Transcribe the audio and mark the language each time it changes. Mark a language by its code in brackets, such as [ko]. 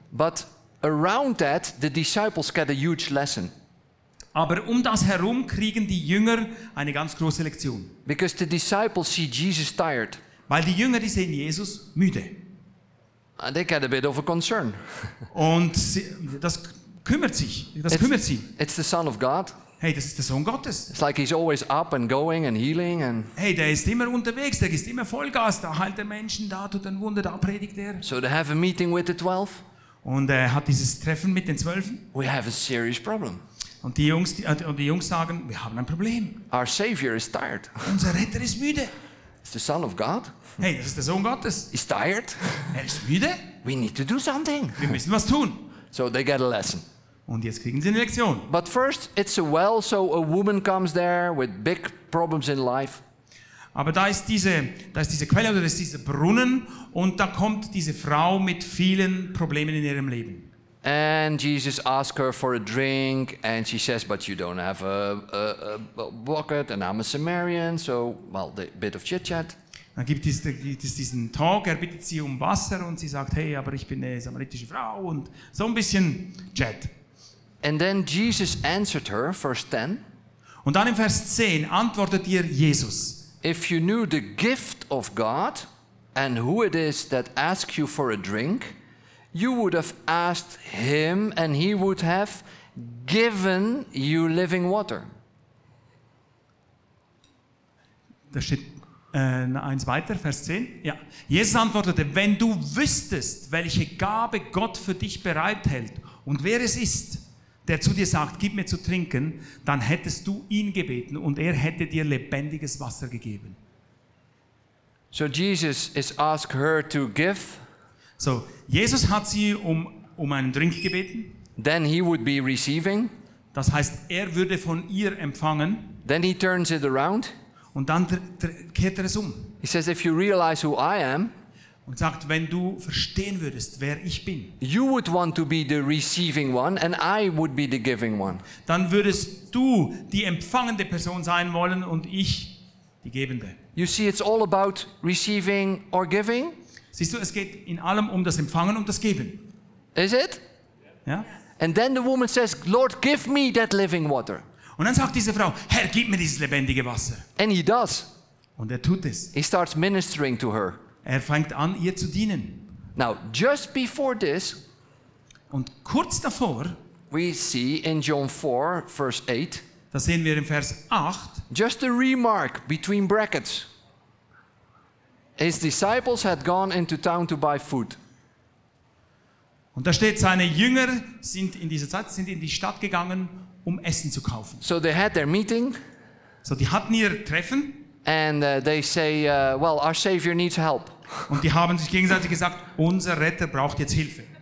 [en] But around that the disciples get a huge lesson. [de] Aber um das herum kriegen die Jünger eine ganz große Lektion. [en] Because the disciples see Jesus tired. [de] Weil die Jünger, die sehen Jesus müde. [en] And they get a bit of a concern. [de] Und das kümmert sie. [en] It's the Son of God. [de] Hey, das ist der Sohn Gottes. [en] It's like he's always up and going and healing and. [de] Hey, der ist immer unterwegs, der ist immer Vollgas, da heilt er Menschen, da tut er Wunder, da predigt er. [en] So they have a meeting with the 12. [de] Und er hat dieses Treffen mit den 12. [en] We have a serious problem. [de] Und die Jungs sagen, wir haben ein Problem. [en] Our Savior is tired. [de] Unser Retter ist müde. [en] It's the Son of God. [de] Hey, das ist der Sohn Gottes. [en] He's tired. [de] Er ist müde. [en] We need to do something. [de] Wir müssen was tun. [en] So they get a lesson. [de] Und jetzt kriegen sie eine Lektion. [en] But first, it's a well, so a woman comes there with big problems in life. [de] Aber da ist diese Quelle oder da ist dieser Brunnen und da kommt diese Frau mit vielen Problemen in ihrem Leben. [en] And Jesus asks her for a drink, and she says, "But you don't have a bucket, and I'm a Samaritan, so well, a bit of chit-chat." [de] Dann gibt es diesen Talk. Er bittet sie um Wasser, und sie sagt, "Hey, aber ich bin eine samaritische Frau," und so ein bisschen chat. [en] And then Jesus answered her, verse 10. [de] Und dann im Vers 10 antwortet ihr Jesus. [en] If you knew the gift of God and who it is that asks you for a drink, you would have asked him and he would have given you living water. [de] Da steht eins weiter, Vers 10. Ja. Jesus antwortete, wenn du wüsstest, welche Gabe Gott für dich bereithält und wer es ist, der zu dir sagt, gib mir zu trinken, dann hättest du ihn gebeten und er hätte dir lebendiges Wasser gegeben. [en] So Jesus is asked her to give. [de] So Jesus hat sie um einen Drink gebeten. [en] Then he would be receiving. [de] Das heißt, er würde von ihr empfangen. [en] Then he turns it around. [de] Und dann kehrt er es um. [en] He says, if you realize who I am. [de] Und sagt, wenn du verstehen würdest, wer ich bin. [en] You would want to be the receiving one and I would be the giving one. [de] Dann würdest du die empfangende Person sein wollen und ich die gebende. [en] You see, it's all about receiving or giving. [de] Siehst du, es geht in allem um das Empfangen und das Geben. [en] Is it? [de] Ja. [en] And then the woman says, Lord, give me that living water. [de] Und dann sagt diese Frau, Herr, gib mir dieses lebendige Wasser. [en] And he does. [de] Und er tut es. [en] He starts ministering to her. [de] Er fängt an, ihr zu dienen. [en] Now, just before this, [de] und kurz davor, [en] we see in John 4, verse 8, [de] da sehen wir in Vers 8, [en] just a remark between brackets. His disciples had gone into town to buy food. [de] Und da steht, seine Jünger sind in dieser Zeit sind in die Stadt gegangen, um Essen zu kaufen. [en] So they had their meeting. [de] So die hatten ihr Treffen. [en] And they say, well, our Savior needs help. [de] Und die haben sich gegenseitig gesagt, unser Retter braucht jetzt Hilfe.